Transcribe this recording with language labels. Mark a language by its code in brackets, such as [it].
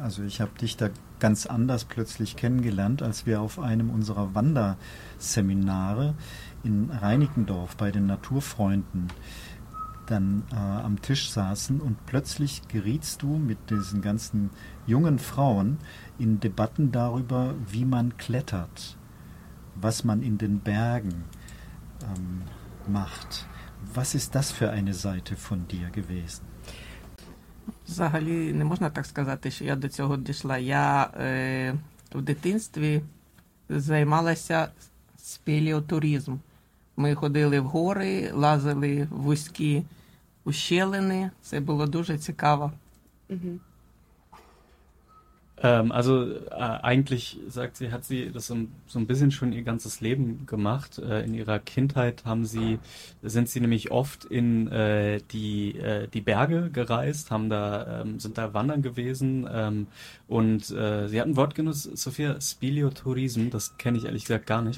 [de] Also ich habe dich da ganz anders plötzlich kennengelernt, als wir auf einem unserer Wanderseminare in Reinickendorf bei den Naturfreunden dann am Tisch saßen und plötzlich gerietst du mit diesen ganzen jungen Frauen in Debatten darüber, wie man klettert, was man in den Bergen macht. Was ist das für eine Seite von dir gewesen? [uk] Взагалі не можна так сказати, що я до цього дійшла. Я в дитинстві займалася спеліотуризм. Ми ходили в гори, лазили в вузькі ущелини. Це було дуже цікаво. [de] Also eigentlich sagt sie, hat sie das so ein bisschen schon ihr ganzes Leben gemacht. In ihrer Kindheit haben sie, sind sie nämlich oft in die Berge gereist, haben da sind da wandern gewesen und sie hat ein Wort genutzt, Sophia, Speleotourism, das kenne ich ehrlich gesagt gar nicht.